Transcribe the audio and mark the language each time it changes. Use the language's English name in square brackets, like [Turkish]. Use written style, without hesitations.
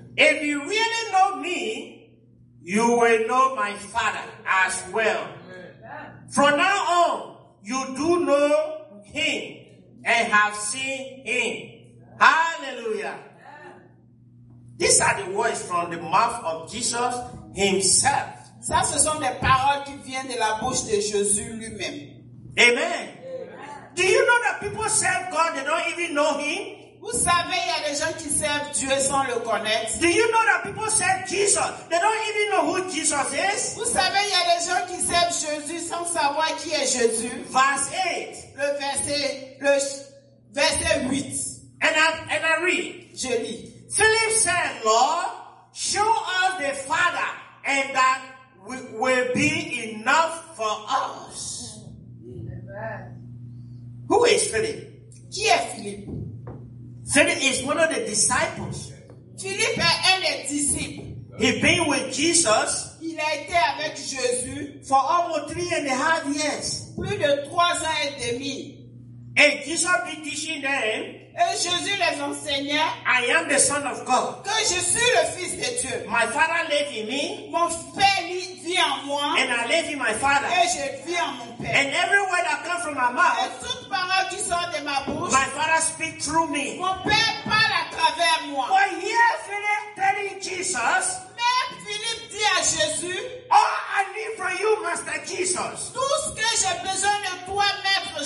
[English] If you really know me, you will know my Father as well. Amen. From now on, you do know him and have seen him. Hallelujah. Amen. These are the words from the mouth of Jesus himself. [French] Ça, ce sont des paroles qui viennent de la bouche de Jésus lui-même. [English] Amen. Do you know that people serve God, they don't even know him? [French] Vous savez, il y a des gens qui servent Dieu sans le connaître. [English] Do you know that people serve Jesus, they don't even know who Jesus is? [French] Vous savez, il y a des gens qui servent Jésus sans savoir qui est Jésus. [English] Verse 8. [French] Le verset 8. [English] And I read. [French] Je lis. [English] Philip said, Lord, show us the Father and that will be enough for us. Who is Philip? [French] Qui est Philippe? [English] Philip is one of the disciples. [French] Philippe est un des disciples. [English] He's been with Jesus. [French] Il a été avec Jésus [English] for almost 3.5 years. [French] Plus de 3 ans et demi. [English] And Jesus been teaching them. [French] Et Jésus les enseignait. [English] I am the Son of God. [French] Que je suis le Fils de Dieu. [English] My Father lives in me. [French] Mon Père vit en moi. [English] And I live in my Father. [French] Et je vis en mon Père. [English] And every word that comes from my mouth. [French] Et toute parole qui sort de ma bouche. [English] My Father speaks through me. [French] Mon Père parle à travers moi. [English] But here Philip telling Jesus. [French] Mais Philippe dit à Jésus. [English] All I need from you, Master Jesus. [French] Tout ce que j'ai besoin de toi, Maître Jésus.